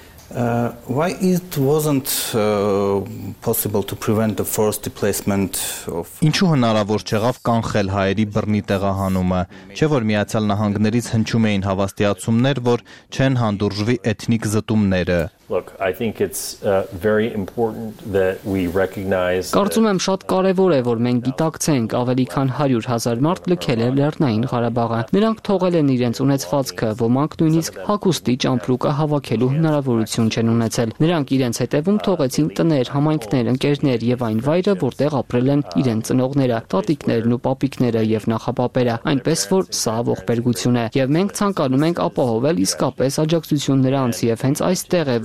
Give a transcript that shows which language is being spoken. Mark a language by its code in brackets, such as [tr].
[en] Why it wasn't possible to prevent the forced displacement of [hy] Ինչու հնարավոր չեղավ կանխել հայերի բռնի տեղահանումը, չէ՞ որ Միացյալ Նահանգներից հնչում էին հավաստիացումներ, որ չեն հանդուրժվի էթնիկ զտումները։ [en] Look, I think it's very important that we recognize [hy] Կարծում եմ շատ կարևոր է, որ մենք գիտակցենք, ավելի քան 100 000 մարդ լքել է Լեռնային Ղարաբաղը։ Նրանք թողել են իրենց ունեցվածքը, ոմանք նույնիսկ հագուստի ճամպրուկը հավաքելու հնարավորություն չեն ունեցել։ Նրանք իրենց հետևում թողեցին տներ, համայնքներ, ընկերներ եւ այն վայրը, որտեղ ապրել են իրենց ծնողները, տատիկներն ու պապիկները եւ նախապապերը, այնպես որ սա ողբերգություն է, եւ մենք ցանկանում ենք ապահովել իսկապես աջակցություն նրանց եւ հենց այստեղ